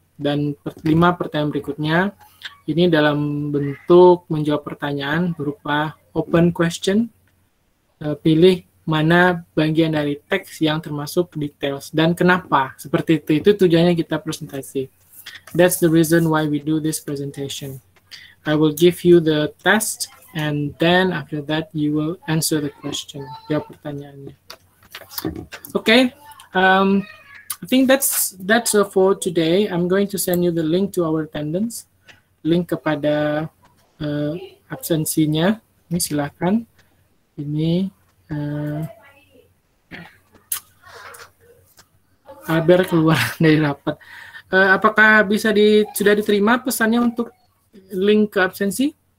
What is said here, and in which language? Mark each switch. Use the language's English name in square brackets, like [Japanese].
[Indonesian] Dan 5 pertanyaan berikutnya, ini dalam bentuk menjawab pertanyaan berupa open question. Pilih mana bagian dari teks yang termasuk details dan kenapa. Seperti itu tujuannya kita presentasi. [English] That's the reason why we do this presentation. I will give you the test and then after that you will answer the question. [Indonesian] Jawab pertanyaannya. [English] Okay. I think that's for today. I'm going to send you the link to our attendance. [Indonesian] Link kepada absensinya. Ini silakan. Ini Albert keluar dari rapat. Apakah sudah diterima pesannya untuk link ke absensi?